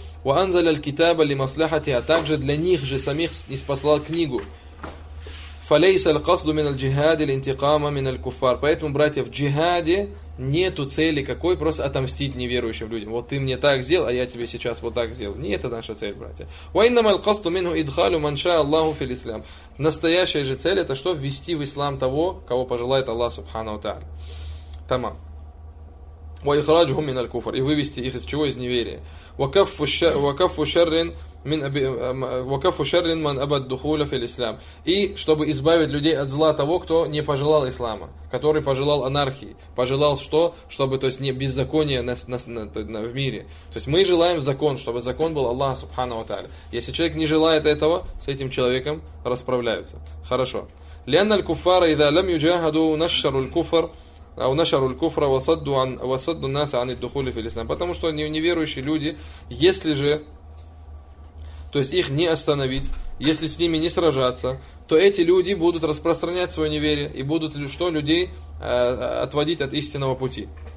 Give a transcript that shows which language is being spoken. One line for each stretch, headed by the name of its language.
Arabic: وَأَنْزَلَ الْكِتَابَ لِمَصْلَحَتِهِ
Russian: А также для них же самих ниспослал книгу.
Arabic: فَلَيْسَ الْقَصْدُ مِنَ الْجِهَادِ الْإِنْتِقَامَ مِنَ الْكُفَّارِ
Russian: Поэтому, братья, в джихаде нету цели какой, просто отомстить неверующим людям. Вот ты мне так сделал, а я тебе сейчас вот так сделал. Не это наша цель, братья.
Arabic: وَإِنَّمَا الْقَصْدُ مِنْهُ إِدْخَالُ مَنْ شَاءَ اللَّهُ فِي الْإِسْلَامِ
Russian: Настоящая же цель это что? Ввести в ислам того, кого пожелает Аллах Субхану ва Тааля. Тамам.
Arabic: وَإِخْرَاجُهُمْ مِنَ الْكُفْرِ
Russian: И вывести их из чего? Из неверия.
Arabic: وَكَفُّ شَرٍّ مَنْ أَبَى الدُّخُولَ فِي الْإِسْلَامِ
Russian: И чтобы избавить людей от зла того, кто не пожелал ислама, который пожелал анархии, пожелал что? Чтобы, то есть, не беззаконие в мире. То есть, мы желаем закон, чтобы закон был Аллах Субхану ва Тааля. Если человек не желает этого, с этим человеком расправляются. Хорошо.
Arabic: لِأَنَّ الْكُفَّارَ إِذَا لَمْ يُجَاهَدُوا نَشَّرُوا الْكُفَرَ أو نشروا الكفر وصدوا عن وصدوا الناس عن الدخول في الإسلام.
Russian: Потому что неверующие люди, если же, то есть их не остановить, если с ними не сражаться, то эти люди будут распространять свое неверие и будут что людей отводить от истинного пути.